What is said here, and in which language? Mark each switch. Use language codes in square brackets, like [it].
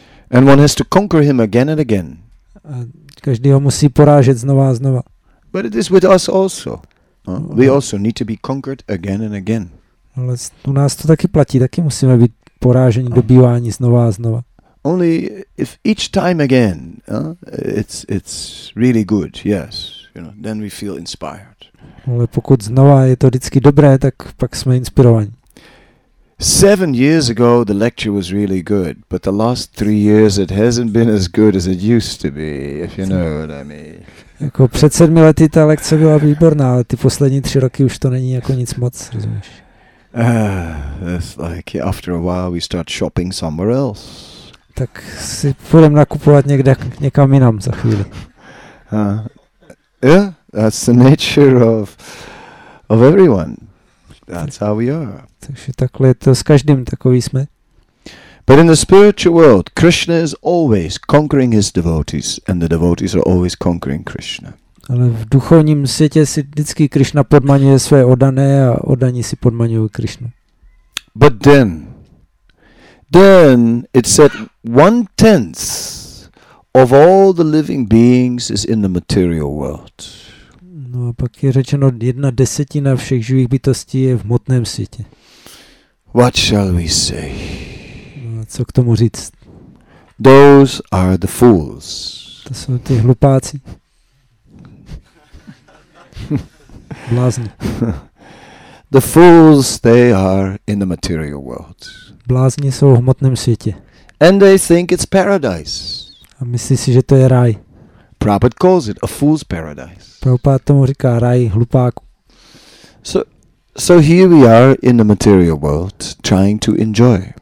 [en] And one has to conquer him again and again. [cs] A každý ho musí porážet znova a znova. [en] But it is with us also. We also need to be conquered again and again. [cs] Ale u nás to taky platí, taky musíme být poráženi, dobýváni znova a znova. [en] Only if each time again, it's really good, yes, you know, then we feel inspired. [cs] Ale pokud znova je to vždycky dobré, tak pak jsme inspirovaní. [en] 7 years ago the lecture was really good, but the last 3 years it hasn't been as good as it used to be, if you know what I mean. [cs] Jako před 7 lety ta lekce byla výborná, ale ty poslední 3 roky už to není jako nic moc, rozumíš? [en] It's like after a while we start shopping somewhere else. [cs] Tak si půjdeme nakupovat někam jinam za chvíli. [en] Yeah, that's the nature of everyone. That's how we are. [cs] Takže takhle je to s každým, takový jsme. [en] But in the spiritual world, Krishna is always conquering his devotees, and the devotees are always conquering Krishna. [cs] Ale v duchovním světě si vždycky Krishna podmaňuje své oddané a oddaní si podmaňují Krishnu. [en] But then it said 1/10 of all the living beings is in the material world. [cs] No a pak je řečeno 1/10 všech živých bytostí je v hmotném světě. [en] What shall we say? [cs] No a co k tomu říct? [en] Those are the fools. [cs] To jsou ty hlupáci. Blázni. [en] The fools, they are in the material world. [cs] Blázni jsou v hmotném světě. [en] And they think it's paradise. [cs] A myslí si, že to je ráj. [en] Prabhupada calls it a fool's paradise. [cs] Prabhupada tomu říká ráj hlupáku. [en] So here we are in the material world trying to enjoy.